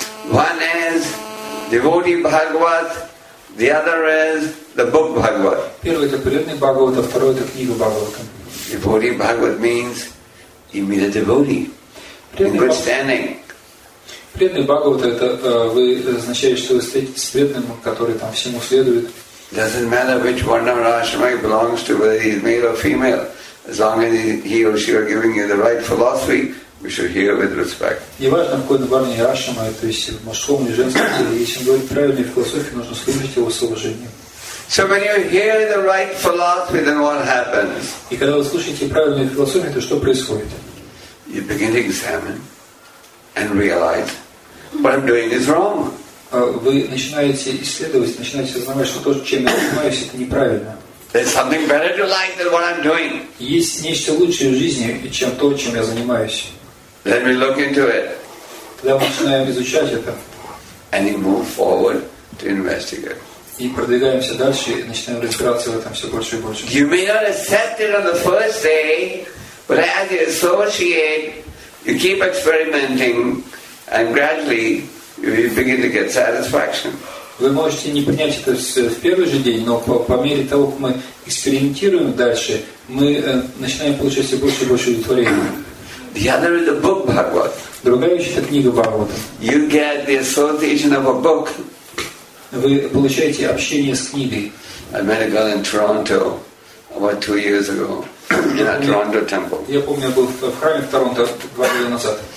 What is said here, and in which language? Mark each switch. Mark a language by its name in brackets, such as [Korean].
[English] One is devotee Bhagavat. The other is the book Bhagavat. [Russian] Первый это преданный Бхагавад, а второй это книга Бхагавата. [English] Devotee Bhagavat means you meet a devotee in good standing. [Russian] Преданный Бхагавад это вы означает, что вы встретитесь с преданным, который там всему следует. [English] Doesn't matter which one of Ashrama he belongs to, whether he's male or female, as long as he or she are giving you the right philosophy, we should hear with respect. [Russian] Неважно, в какой направлении ашрама, то есть в мужском или женском теле, если он говорит правильную философию, нужно слушать его с уважением. [English] So when you hear the right philosophy, then what happens? [Russian] И когда вы слушаете правильную философию, то что происходит? [English] You begin to examine and realize what I'm doing is wrong. [Russian] Вы начинаете исследовать, начинаете осознавать, что то, чем я занимаюсь, это неправильно. [English] There's something better to life than what I'm doing. [Russian] Есть нечто лучшее в жизни, чем то, чем я занимаюсь. [English] Let me look into it. [Russian] Тогда мы начинаем изучать это. [English] And you move forward to investigate. [Russian] И продвигаемся дальше, и начинаем разбираться в этом все больше и больше. [English] You may not accept it on the first day, but as you associate, you keep experimenting, and gradually you begin to get satisfaction. [Russian] Вы можете не принять это в первый же день, но по мере того, как мы экспериментируем дальше, мы начинаем получать все больше и больше удовлетворения. [English] The other is the book Bhagavat. [Russian] Другая вещь это книга Бхагавад. [English] You get the association of a book. [Russian] Вы получаете общение с книгой. [English] I met a girl in Toronto about 2 years ago in a Toronto temple. [Russian] Я помню, был в храме в Торонто 2 года назад.